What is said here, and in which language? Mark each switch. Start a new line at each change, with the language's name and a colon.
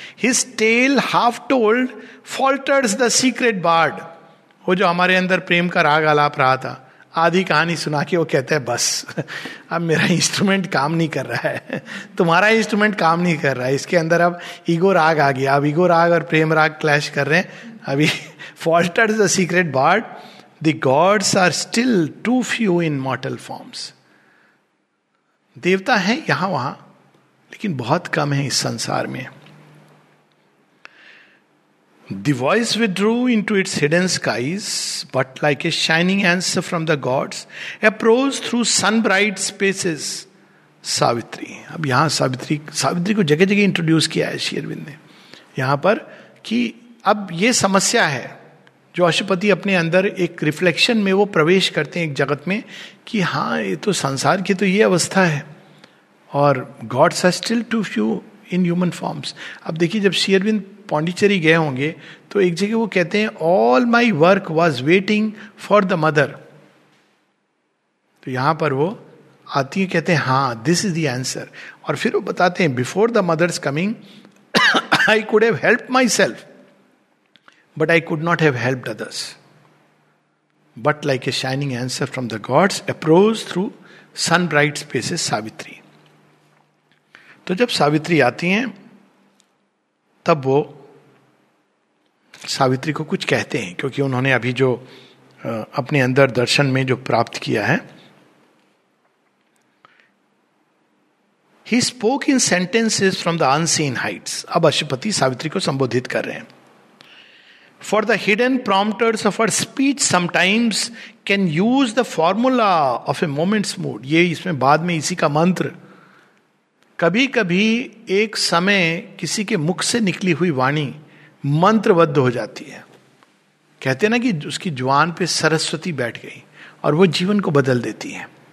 English: his tale half told falters the secret bard,
Hindi: वो जो हमारे अंदर प्रेम का राग अलाप रहा था, आधी कहानी सुना के वो कहता है बस अब मेरा इंस्ट्रूमेंट काम नहीं कर रहा है, तुम्हारा इंस्ट्रूमेंट काम नहीं कर रहा है, इसके अंदर अब ईगो राग आ गया, अब ईगो राग और प्रेम राग क्लैश कर रहे हैं अभी।
English: falters the secret bard, the gods are still too few in mortal forms,
Hindi: देवता है यहां वहां लेकिन बहुत कम है इस संसार में।
English: The voice withdrew into its hidden skies, but like a shining answer from the gods, approached through sun-bright spaces, Savitri.
Hindi: अब यहाँ सावित्री को जगह जगह इंट्रोड्यूस किया है शेरविन ने यहाँ पर, कि अब ये समस्या है जो अशुपति अपने अंदर एक रिफ्लेक्शन में वो प्रवेश करते हैं एक जगत में, कि हाँ ये तो संसार की तो ये अवस्था है और
English: gods are still too few in human forms.
Hindi: अब देखिए जब शेरविन पांडिचेरी गए होंगे तो एक जगह वो कहते हैं
English: all my work was waiting for the mother,
Hindi: तो यहां पर वो आती है कहते हैं हाँ
English: this is the answer,
Hindi: और फिर वो बताते हैं
English: Before the mother's coming I could have help myself but I could not have helped others, but like a shining answer from the gods approach through sun bright spaces Savitri.
Hindi: तो जब सावित्री आती हैं तब वो सावित्री को कुछ कहते हैं क्योंकि उन्होंने अभी जो अपने अंदर दर्शन में जो प्राप्त किया है।
English: He spoke in sentences from the unseen heights.
Hindi: अब अशुपति सावित्री को संबोधित कर रहे हैं।
English: For the hidden prompters of her speech sometimes can use the formula of a moment's mood.
Hindi: ये इसमें बाद में इसी का मंत्र, कभी कभी एक समय किसी के मुख से निकली हुई वाणी मंत्रबद्ध हो जाती है, कहते हैं ना कि उसकी जुबान पे सरस्वती बैठ गई और वो जीवन को बदल देती है।